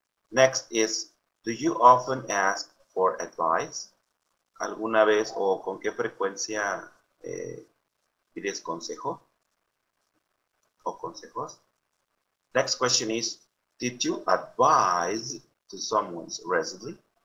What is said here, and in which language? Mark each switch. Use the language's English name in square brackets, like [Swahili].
[English] Next is, do you often ask for advice? [Spanish] ¿Alguna vez o con qué frecuencia pides consejo o consejos? [English] Next question is, did you advise to someone recently?